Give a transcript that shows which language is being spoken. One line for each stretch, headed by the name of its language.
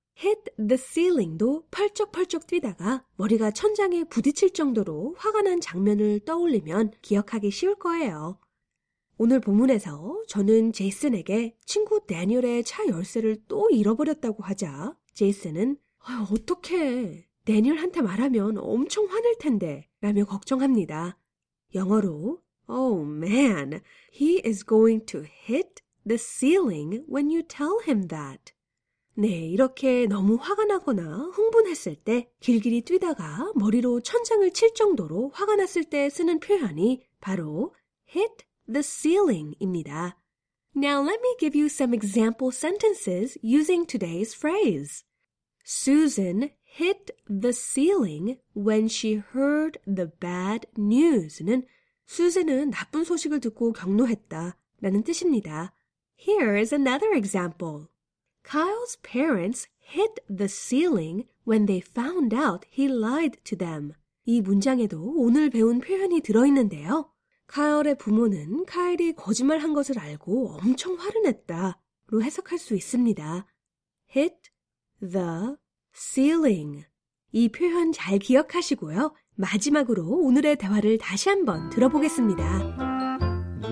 English: Hit the ceiling
Korean: 도 펄쩍펄쩍 뛰다가 머리가 천장에 부딪힐 정도로 화가 난 장면을 떠올리면 기억하기 쉬울 거예요. 오늘 본문에서 저는 제이슨에게 친구 다니엘의 차 열쇠를 또 잃어버렸다고 하자 제이슨은 어떡해. 다니엘한테 말하면 엄청 화낼 텐데 라며 걱정합니다. 영어로
English: Oh man, he is going to hit the ceiling when you tell him that.
Korean: 네, 이렇게 너무 화가 나거나 흥분했을 때 길길이 뛰다가 머리로 천장을 칠 정도로 화가 났을 때 쓰는 표현이 바로
English: hit the ceiling
Korean: 입니다.
English: Now let me give you some example sentences using today's phrase. Susan hit the ceiling when she heard the bad news는
Korean: 수잔은 나쁜 소식을 듣고 격노했다 라는 뜻입니다.
English: Here is another example. Kyle's parents hit the ceiling when they found out he lied to them.
Korean: 이 문장에도 오늘 배운 표현이 들어있는데요. Kyle의 부모는 Kyle이 거짓말한 것을 알고 엄청 화를 냈다로 해석할 수 있습니다.
English: Hit the ceiling.
Korean: 이 표현 잘 기억하시고요. 마지막으로 오늘의 대화를 다시 한번 들어보겠습니다.